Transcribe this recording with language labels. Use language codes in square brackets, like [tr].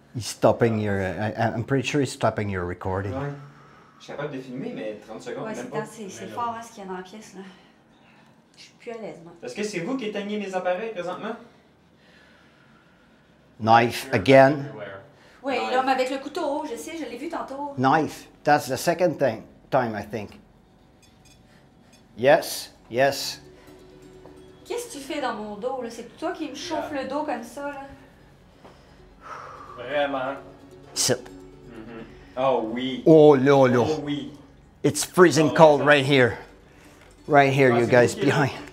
[en] He's stopping your... I'm pretty sure he's stopping your recording. [fr] Ouais. Je suis capable de filmer, mais 30 secondes, ouais, même c'est pas. Ouais, c'est fort, hein, ce qu'il y a dans la pièce, là. Je suis plus à l'aise, moi. Est-ce que c'est vous qui éteignez mes appareils, présentement? [en] Knife, again. [fr] Oui, l'homme avec le couteau, je sais, je l'ai vu tantôt. [en] Knife, that's the second thing, time, I think. Yes, yes. [fr] Qu'est-ce que tu fais dans mon dos, là? C'est toi qui me chauffe le dos comme ça, là. Vraiment? [en] Sit. [fr] Mm-hmm. Oh oui. Oh là là. Oh oui. [en] It's freezing cold right here. Right here, you guys, behind.